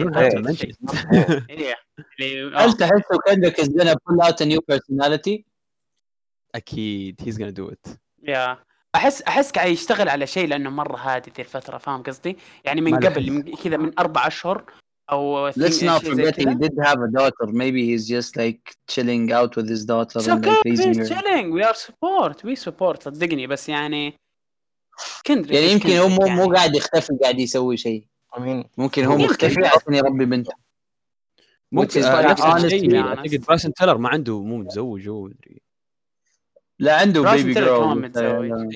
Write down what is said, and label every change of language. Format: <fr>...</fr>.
<ar>ينتظره هل تحسه</ar> <en>كندك is gonna pull out a new personality أكيد he's gonna do it. Yeah.</en> <ar>أحس قاعد يشتغل على شيء لأنه مرة هادي ذي الفترة فاهم قصدي يعني من قبل كذا من أربع أشهر أو.</ar> <en>Let's not forget he did have a daughter. Maybe he's just like chilling out with his daughter. It's okay. He's chilling. We support.</en> <ar>صدقني بس يعني. Kendrick يعني يمكن هو مو قاعد يختفي قاعد يسوي شيء.</ar> <en>I mean.</en> <ar>ممكن هو مختفي عشان يربي بنته. ممكن. أعتقد باسن تيلر ما عنده مو متزوج هو مدري. لا عنده بيبي جرو متزوج</ar>